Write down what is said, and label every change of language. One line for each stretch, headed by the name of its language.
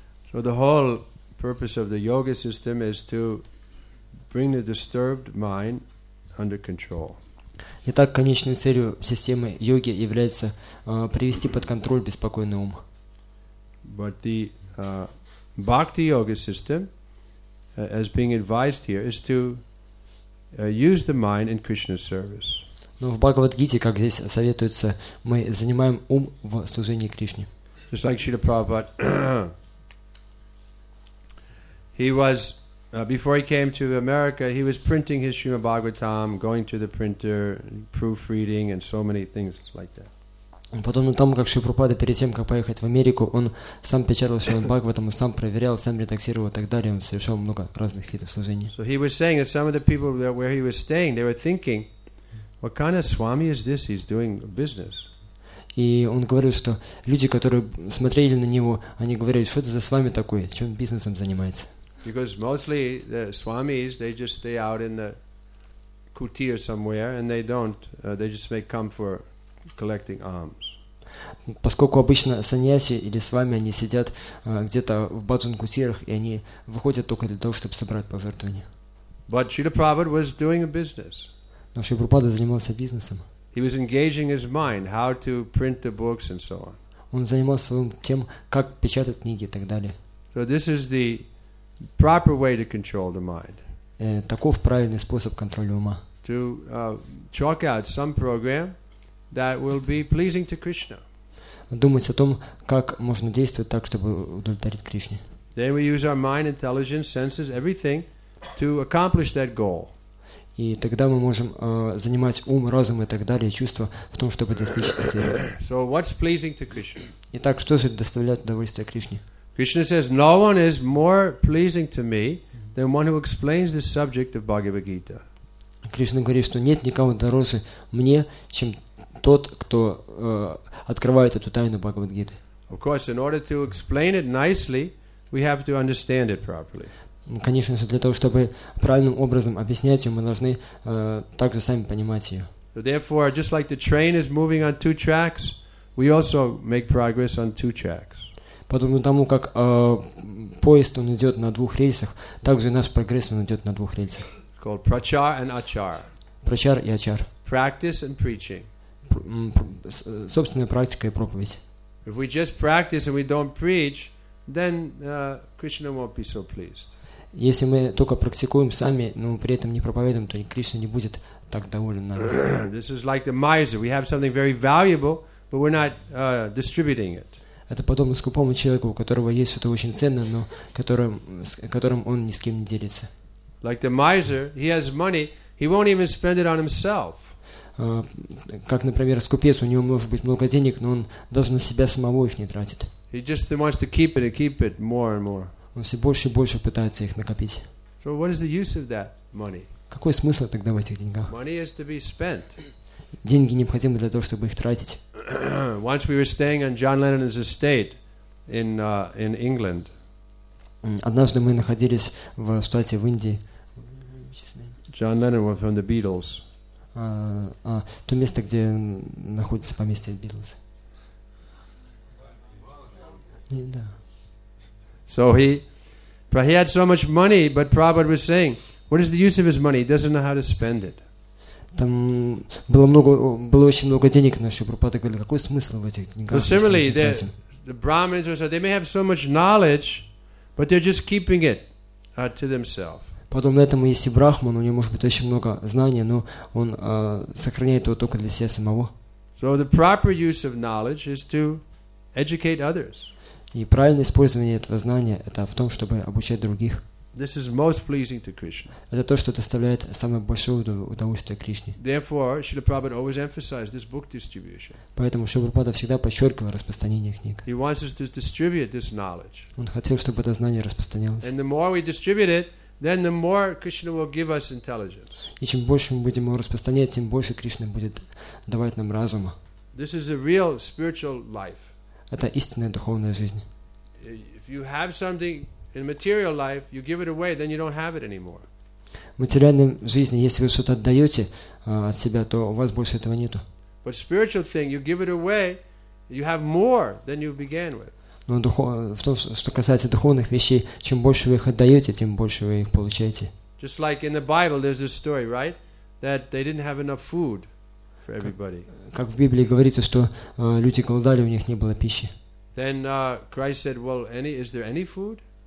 English: So the whole purpose of the yoga system is to bring the disturbed mind under control.
Russian: Итак, конечной целью системы йоги является привести под контроль беспокойный ум.
English: But the Bhakti yoga system, as being advised here, is to use the mind in Krishna's service.
Russian: Но в Бхагавад-гите, как здесь советуется, мы занимаем ум в служении Кришне.
English: Just like Srila Prabhupada, he was before he came to America, he was printing his Srimad Bhagavatam, going to the printer, proofreading, and so many things like that.
Russian: Потом на том, как Шри Прабхупада перед тем, как поехать в Америку, он сам печатал Шримад Бхагаватам, сам проверял, сам редактировал и так далее. Он совершал много разных видов служений.
English: So he was saying that some of the people that where he was staying, they were thinking, what kind of Swami is this? He's doing business.
Russian: И он говорил, что люди, которые смотрели на него, они говорили, что это за Свами такой, чем бизнесом занимается.
English: Because mostly the Swamis, they just stay out in the kuti or somewhere, and they don't, they just may come for collecting alms.
Russian: Поскольку обычно саньяси или свами они сидят где-то в баджан-кутирах и они выходят только для того, чтобы собрать пожертвования.
English: But Srila Prabhupada was doing a business.
Russian: Но Шри Прабхупада занимался бизнесом.
English: He was engaging his mind how to print the books and so on.
Russian: Он занимался своим тем, как печатать книги и так далее.
English: So this is the proper way to control the mind.
Russian: Таков правильный способ контроля ума.
English: To chalk out some program that will be pleasing to Krishna.
Russian: Думать о том, как можно действовать так, чтобы удовлетворить Кришне.
English: Then we use our mind, intelligence, senses, everything to accomplish that goal.
Russian: И тогда мы можем занимать ум, разум и так далее, чувства в том, чтобы достичь этой цели.
English: So what's pleasing to Krishna?
Russian: Итак, что же доставляет удовольствие Кришне?
English: Krishna says, no one is more pleasing to me than one who explains the subject of Bhagavad Gita.
Russian: Кришна говорит, что нет никого дороже мне, чем тот, кто открывает эту тайну Бхагавад-гиты.
English: Of course, in order to explain it nicely, we have to understand it properly.
Russian: Конечно же, для того, чтобы правильным образом объяснять ее, мы должны также сами понимать ее.
English: So therefore, just like the train is moving on two tracks, we also make progress on two tracks.
Russian: Подобно тому, как поезд он идет на двух рельсах, также наш прогресс он идет на двух рельсах.
English: It's called prachar and achar.
Russian: Прачар и ачар.
English: Practice and preaching.
Russian: Собственная практика и проповедь.
English: If we just practice and we don't preach, then Krishna won't be so pleased.
Russian: Если мы только практикуем сами, но при этом не проповедуем, то Кришна не будет так доволен нами.
English: This is like the miser. We have something very valuable, but we're not distributing it.
Russian: Это подобно скупому человеку, у которого есть что-то очень ценное, но которым он ни с кем не делится.
English: Like the miser, he has money, he won't even spend it on himself.
Russian: Как, например, скупец, у него может быть много денег, но он даже на себя самого их не тратит.
English: He just wants to keep it and keep it more and more.
Russian: Он все больше и больше пытается их накопить.
English: So what is the use of that money?
Russian: Какой смысл тогда в этих деньгах?
English: Money is to be spent.
Russian: Деньги необходимы для того, чтобы их тратить.
English: Once we were staying on John Lennon's estate in England.
Russian: Однажды мы находились в штате в Индии.
English: John Lennon was from the Beatles.
Russian: То место, где находится поместье Beatles.
English: So he had so much money, but Prabhupada was saying, what is the use of his money? He doesn't know how to spend it.
Russian: Там было очень много денег, но Шри Прабхупада говорил, какой смысл в этих деньгах?
English: So similarly, the Brahmins, they may have so much knowledge, but they're just keeping it. to themselves.
Russian: Подобно этому, если брахман, у него может быть очень много знания, но он сохраняет его только для себя самого.
English: So the proper use of knowledge is to educate others.
Russian: И правильное использование этого знания – это в том, чтобы обучать других.
English: This is most pleasing to Krishna.
Russian: Это то, что доставляет самое большое удовольствие Кришне.
English: Therefore, Srila Prabhupada always emphasized this book distribution.
Russian: Поэтому Шрила Прабхупада всегда подчеркивал распространение книг.
English: He wants us to distribute this knowledge.
Russian: Он хотел, чтобы это знание распространялось.
English: And the more we distribute it, then the more Krishna will give us intelligence.
Russian: И чем больше мы будем его распространять, тем больше Кришна будет давать нам разума.
English: This is a real spiritual life.
Russian: Это истинная духовная жизнь.
English: If you have something in material life, you give it away, then you don't have it anymore.
Russian: В материальной жизни, если вы что-то отдаете от себя, то у вас больше этого нету.
English: But spiritual thing, you give it away, you have more than you began with.
Russian: Но в том, что касается духовных вещей, чем больше вы их отдаете, тем больше вы их получаете.
English: Just like in the Bible, there's this story, right, that they didn't have enough food for everybody.
Russian: Как в Библии говорится, что люди голодали, у них не было пищи.
English: Then Christ said, "Well, is there any food?"